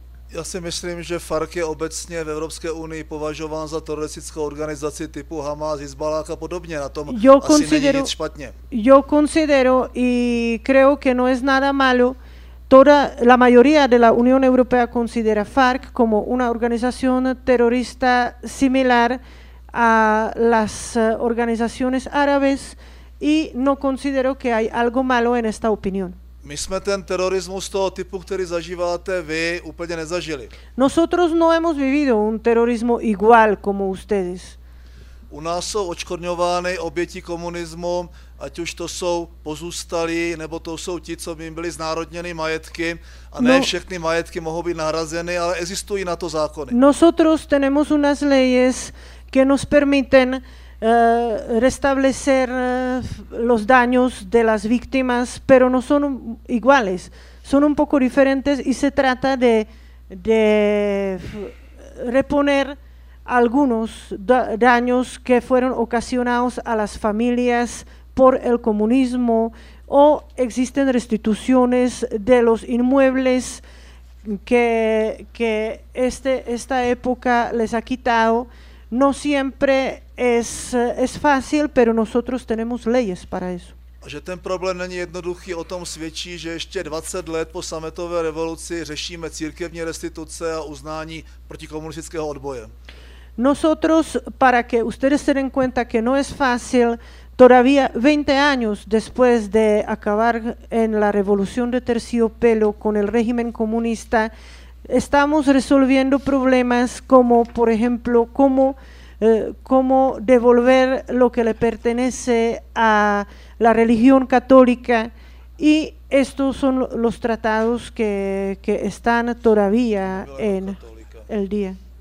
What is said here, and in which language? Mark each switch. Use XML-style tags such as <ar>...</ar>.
<cs>Já si myslím, že FARC je obecně v Evropské unii považován za teroristickou organizaci typu Hamas, Hizbalah a podobně. Na tom asi není nic špatně.</cs> <es>Yo considero y creo que no es nada malo. Toda la mayoría de la Unión Europea considera FARC como una organización terrorista similar a las organizaciones árabes y no considero que hay algo malo en esta opinión.</es> <cs>My jsme ten terorismus toho typu, který zažíváte vy, úplně nezažili.</cs> <es>Nosotros no hemos vivido un terrorismo igual como ustedes.</es> <cs>U nás jsou odškodňovány oběti komunismu ať už to jsou pozůstalí, nebo to jsou ti, co by jim byly znárodněny majetky, a ne všechny majetky mohou být nahrazeny, ale existují na to zákony.</cs> <es>Nosotros tenemos unas leyes que nos permiten restablecer los daños de las víctimas, pero no son iguales, son un poco diferentes y se trata de reponer algunos daños que fueron ocasionados a las familias por el comunismo, o existen restituciones de los inmuebles que esta época les ha quitado. No siempre es fácil, pero nosotros tenemos leyes para eso.</es> <cs>A že ten problém není jednoduchý, o tom svědčí, že ještě 20 let po sametové revoluci řešíme církevní restituce a uznání protikomunistického odboje.</cs> <es>Nosotros, para que ustedes se den cuenta que no es fácil, todavía 20 años después de acabar en la revolución de terciopelo con el régimen comunista, estamos resolviendo problemas como, por ejemplo, cómo devolver lo que le pertenece a la religión católica, y estos son los tratados que están todavía en el día.</es>